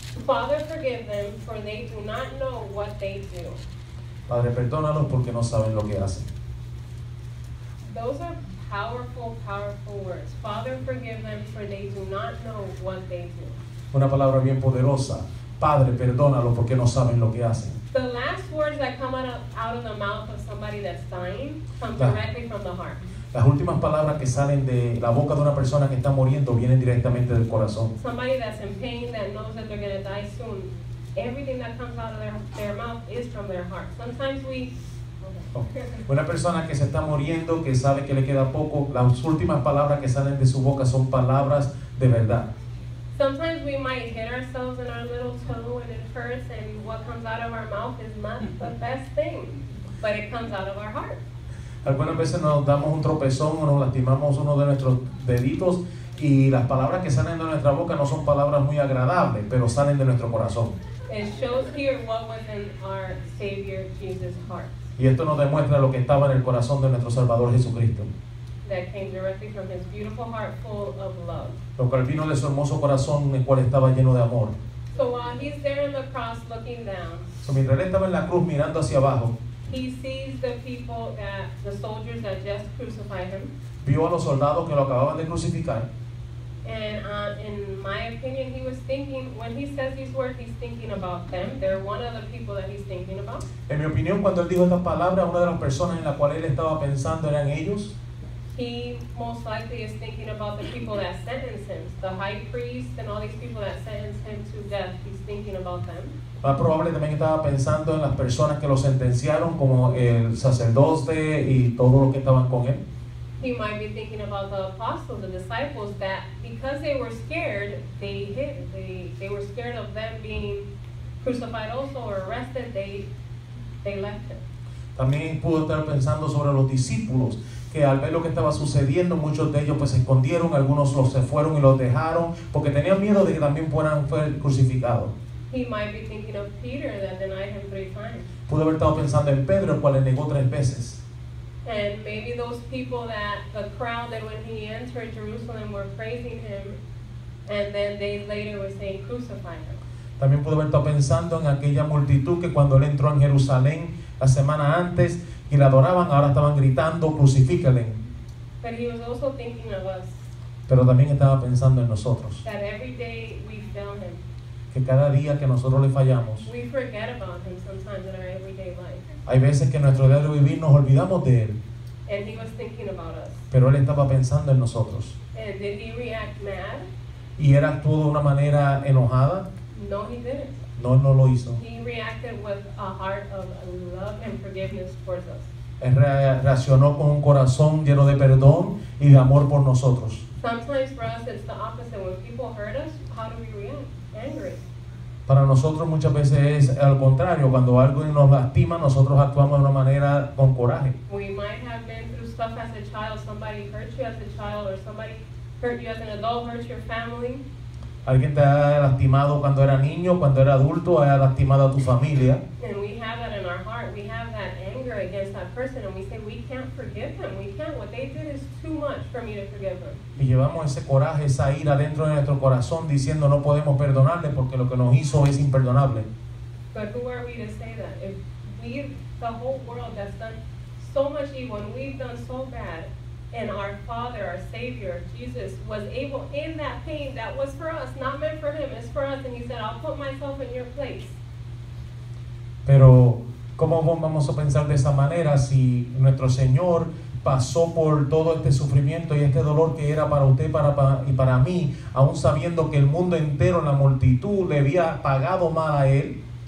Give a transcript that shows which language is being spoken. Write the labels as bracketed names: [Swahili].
[English] Father, forgive them, for they do not know what they do. [Spanish] Padre, perdónalos porque no saben lo que hacen. [English] Those are powerful, powerful words. Father, forgive them, for they do not know what they do. [Spanish] Una palabra bien poderosa. Padre, perdónalos porque no saben lo que hacen. [English] The last words that come out of the mouth of somebody that's dying come directly from the heart. [Spanish] Las últimas palabras que salen de la boca de una persona que está muriendo vienen directamente del corazón. [English] Somebody that's in pain that knows that they're going to die soon. Everything that comes out of their mouth is from their heart. Sometimes we... Okay. [Spanish] Una persona que se está muriendo, que sabe que le queda poco, las últimas palabras que salen de su boca son palabras de verdad. [English] Sometimes we might hit ourselves in our little toe and it hurts and what comes out of our mouth is not the best thing. But it comes out of our heart. [Spanish] Algunas veces nos damos un tropezón o nos lastimamos uno de nuestros deditos y las palabras que salen de nuestra boca no son palabras muy agradables, pero salen de nuestro corazón. [English] It shows here what was in our Savior Jesus' heart. [Spanish] Y esto nos demuestra lo que estaba en el corazón de nuestro Salvador Jesucristo. [English] That came directly from his beautiful heart full of love. [Spanish] Lo cual vino de su hermoso corazón, el cual estaba lleno de amor. [English] So while he's there in the cross looking down, [Spanish] so mientras él estaba en la cruz mirando hacia abajo, [English] he sees the people that, the soldiers that just crucified him. [Spanish] Vio a los soldados que lo acababan de crucificar. [English] And in my opinion, he was thinking, when he says these words, he's thinking about them. They're one of the people that he's thinking about. [Spanish] En mi opinión, cuando él dijo estas palabras, una de las personas en la cual él estaba pensando eran ellos. [English] He most likely is thinking about the people that sentenced him. The high priest and all these people that sentenced him to death, he's thinking about them. [Spanish] Más probable también estaba pensando en las personas que lo sentenciaron, como el sacerdote y todos los que estaban con él. [English] He might be thinking about the apostles, the disciples, that because they were scared, they hid. They were scared of them being crucified also or arrested, they left him. [Spanish] También pudo estar pensando sobre los discípulos, que al ver lo que estaba sucediendo, muchos de ellos pues se escondieron, algunos los se fueron y los dejaron, porque tenían miedo de que también fueran crucificados. [English] He might be thinking of Peter that denied him 3 times. [Spanish] Pudo haber estado pensando en Pedro, el cual le negó 3 veces. [English] And maybe those people that the crowd that when he entered Jerusalem were praising him, and then they later were saying, crucify him. [Spanish] También pudo haber estado pensando en aquella multitud que cuando él entró en Jerusalén la semana antes y le adoraban, ahora estaban gritando, crucifícale. [English] But he was also thinking of us. [Spanish] Pero también estaba pensando en nosotros. [English] That every day we fail him. [Spanish] Que cada día que nosotros le fallamos, [English] we forget about him sometimes in our everyday life. [Spanish] Hay veces que en nuestro día de vivir nos olvidamos de él. [English] And he was thinking about us. [Spanish] Pero él estaba pensando en nosotros. [English] And did he react mad? [Spanish] y él actuó de una manera enojada. [English] No, he didn't. [Spanish] No, no lo hizo. [English] He reacted with a heart of love and forgiveness towards us. [Spanish] Él reaccionó con un corazón lleno de perdón y de amor por nosotros. [English] Sometimes for us it's the opposite. When people hurt us, how do we react? Angry. [Spanish] Para nosotros muchas veces es al contrario. Cuando algo nos lastima, nosotros actuamos de una manera con coraje. [English] We might have been through stuff as a child. Somebody hurt you as a child, or somebody hurt you as an adult, hurt your family. [Spanish] Alguien te ha lastimado cuando era niño, cuando era adulto, ha lastimado a tu familia. [English] And we have that in our heart. We have that anger against that person, and we say we can't forgive them. We can't. What they did is too much for me to forgive them. [Spanish] Y llevamos ese coraje, esa ira dentro de nuestro corazón, diciendo no podemos perdonarle porque lo que nos hizo es imperdonable. [English] But who are we to say that? If we've, the whole world that's done so much evil, and we've done so bad, and our Father, our Savior, Jesus, was able in that pain that was for us, not meant for him, it's for us, and he said, I'll put myself in your place. [Spanish] Pero, ¿cómo vamos a pensar de esa manera si nuestro Señor pasó por todo este sufrimiento y este dolor que era para usted y para mí, aún sabiendo que el mundo entero, la multitud, le había pagado mal a él?